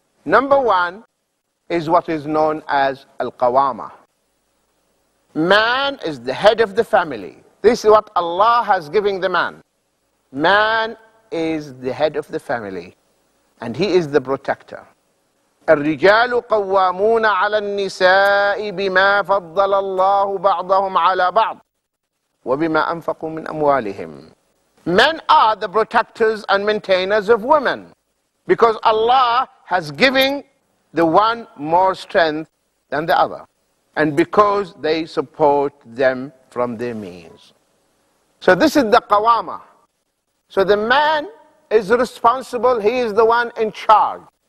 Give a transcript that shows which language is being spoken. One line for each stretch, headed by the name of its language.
English: Number one is what is known as al-qawama. Man is the head of the family. This is what Allah has given the man. Man is the head of the family and he is the protector.
Arabic: الرجال قوامون على النساء بما فضل الله بعضهم على بعض وبما أنفقوا من أموالهم.
English: Men are the protectors and maintainers of women because Allah has given the one more strength than the other and because they support them from their means. So this is the qawama. So the man is responsible, he is the one in charge.